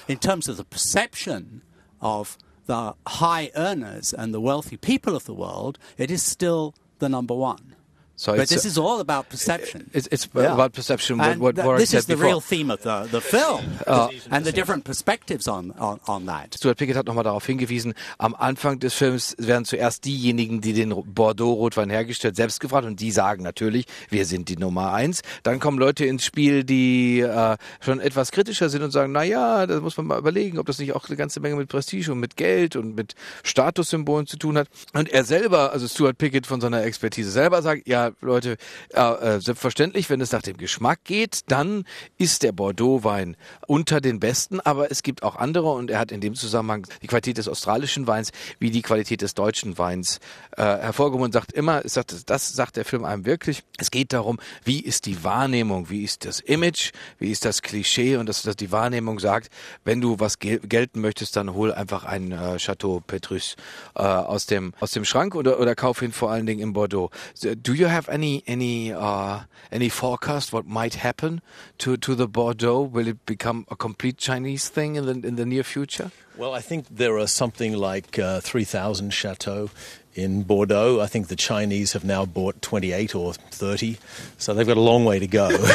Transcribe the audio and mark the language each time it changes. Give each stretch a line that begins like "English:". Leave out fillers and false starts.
English: In terms of the perception of the high earners and the wealthy people of the world, it is still the number one. So but this is all about perception. About perception. What Warwick this said is the before. Real theme of the film and the different perspectives on that.
German: Stuart Piggott hat nochmal darauf hingewiesen, am Anfang des Films werden zuerst diejenigen, die den Bordeaux-Rotwein hergestellt, selbst gefragt und die sagen natürlich, wir sind die Nummer eins. Dann kommen Leute ins Spiel, die schon etwas kritischer sind und sagen, naja, da muss man mal überlegen, ob das nicht auch eine ganze Menge mit Prestige und mit Geld und mit Statussymbolen zu tun hat. Und er selber, also Stuart Piggott von seiner Expertise selber sagt, ja, Leute, selbstverständlich, wenn es nach dem Geschmack geht, dann ist der Bordeaux-Wein unter den besten, aber es gibt auch andere und er hat in dem Zusammenhang die Qualität des australischen Weins wie die Qualität des deutschen Weins hervorgehoben und sagt immer, das sagt der Film einem wirklich, es geht darum, wie ist die Wahrnehmung, wie ist das Image, wie ist das Klischee und dass die Wahrnehmung sagt, wenn du was gelten möchtest, dann hol einfach ein Chateau Petrus aus dem Schrank oder kauf ihn vor allen Dingen im Bordeaux.
English: Do you have any forecast what might happen to the Bordeaux? Will it become a complete Chinese thing in the near future? Well, I think there are something like 3,000 chateaux in Bordeaux. I think the Chinese have now bought 28 or 30, so they've got a long way to go.